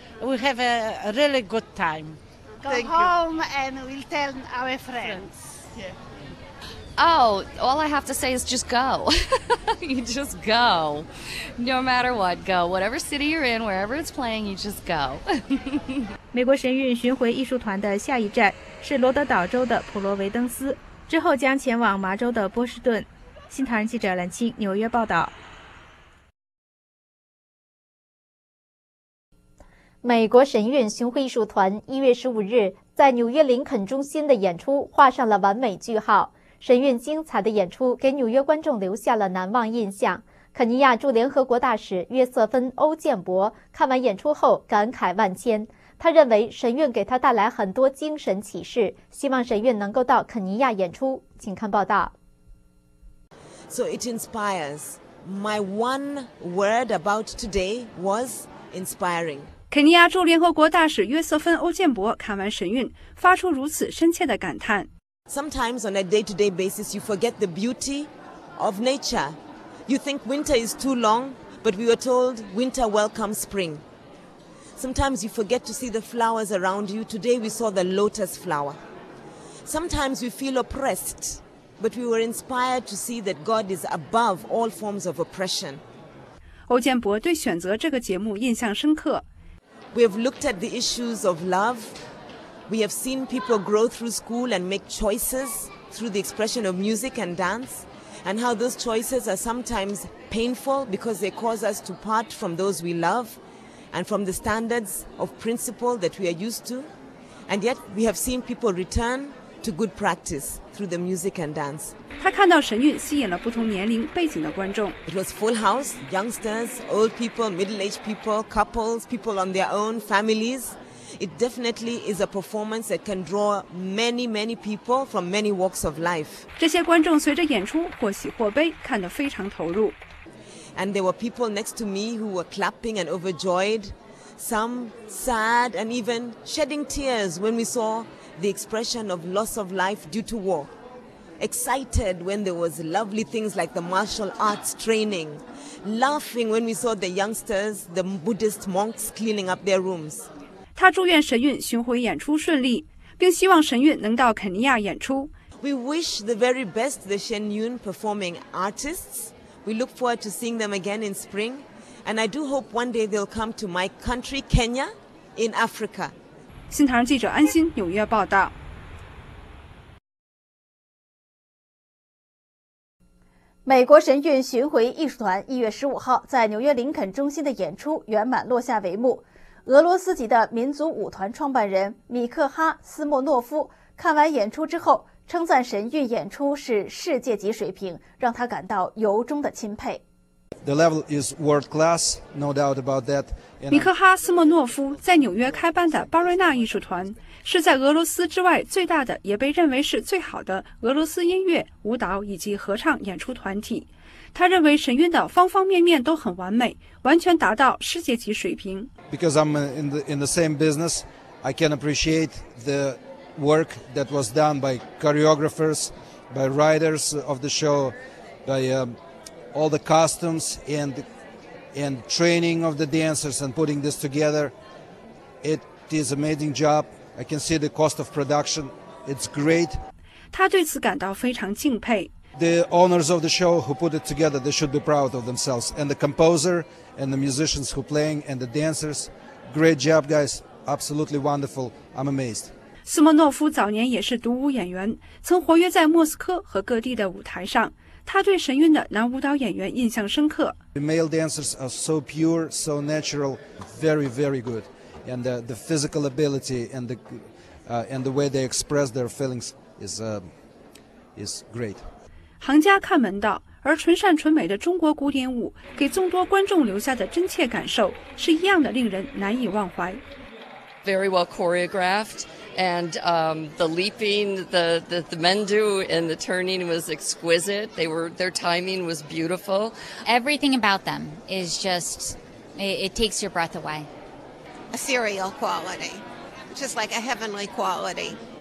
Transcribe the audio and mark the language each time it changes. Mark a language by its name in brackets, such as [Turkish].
[English] We have a really good time. Go home and we'll tell our friends. Yeah. Oh, all I have to say is just go. You just go. No matter what, go. Whatever city you're in, wherever it's playing, you just go. [Chinese] 美国神韵巡回艺术团的下一站是罗德岛州的普罗维登斯，之后将前往麻州的波士顿。新唐人记者蓝青，纽约报道。美国神韵巡回艺术团一月十五日在纽约林肯中心的演出画上了完美句号。神韵精彩的演出给纽约观众留下了难忘印象。肯尼亚驻联合国大使约瑟芬·欧建博看完演出后感慨万千，他认为神韵给他带来很多精神启示，希望神韵能够到肯尼亚演出。请看报道。 [English] So it inspires. My one word about today was inspiring. [Chinese] 肯尼亚驻联合国大使约瑟芬·欧建博看完神韵，发出如此深切的感叹。 [English] Sometimes on a day-to-day basis, you forget the beauty of nature. You think winter is too long, but we were told winter welcomes spring. Sometimes you forget to see the flowers around you. Today we saw the lotus flower. Sometimes we feel oppressed. but we were inspired to see that God is above all forms of oppression. [Chinese] 欧建博对选择这个节目印象深刻。 [English] We have looked at the issues of love. We have seen people grow through school and make choices through the expression of music and dance, and how those choices are sometimes painful because they cause us to part from those we love and from the standards of principle that we are used to. And yet we have seen people return to good practice through the music and dance. [Chinese] 他看到神韵吸引了不同年龄背景的观众。 [English] It was full house, youngsters, old people, middle-aged people, couples, people on their own, families. It definitely is a performance that can draw many, many people from many walks of life. [Chinese] 这些观众随着演出或喜或悲看得非常投入。 [English] And there were people next to me who were clapping and overjoyed, some sad and even shedding tears when we saw the expression of loss of life due to war. Excited when there was lovely things like the martial arts training. Laughing when we saw the youngsters, the Buddhist monks cleaning up their rooms. [Chinese] 他祝愿神韵巡回演出顺利，并希望神韵能到肯尼亚演出。 [English] We wish the very best the Shen Yun performing artists. We look forward to seeing them again in spring. And I do hope one day they'll come to my country, Kenya, in Africa. [Chinese] 新唐人记者安心，纽约报道。美国神韵巡回艺术团1月15号在纽约林肯中心的演出圆满落下帷幕。俄罗斯籍的民族舞团创办人米克哈·斯莫诺夫看完演出之后，称赞神韵演出是世界级水平，让他感到由衷的钦佩。 [English] The level is world class, no doubt about that. [Chinese] 米克哈·斯莫诺夫在纽约开办的巴瑞纳艺术团是在俄罗斯之外最大的，也被认为是最好的俄罗斯音乐、舞蹈以及合唱演出团体。他认为神韵的方方面面都很完美，完全达到世界级水平。 [English] Because I'm in the same business, I can appreciate the work that was done by choreographers, by writers of the show, by all the costumes and training of the dancers and putting this together. It is an amazing job. I can see the cost of production. It's great. [Chinese] 他对此感到非常敬佩。 [English] The owners of the show who put it together, they should be proud of themselves. And the composer and the musicians who playing and the dancers. Great job, guys. Absolutely wonderful. I'm amazed. [Chinese] 斯莫诺夫早年也是独舞演员，曾活跃在莫斯科和各地的舞台上。他对神韵的男舞蹈演员印象深刻。 [English] The male dancers are so pure, so natural, very, very good. And the physical ability and the way they express their feelings is great. [Chinese] 行家看门道，而纯善纯美的中国古典舞给众多观众留下的真切感受是一样的令人难以忘怀。 [English] Very well choreographed. And the leaping, the mendu and the turning was exquisite. Their timing was beautiful. Everything about them is just, it takes your breath away. Ethereal quality, just like a heavenly quality.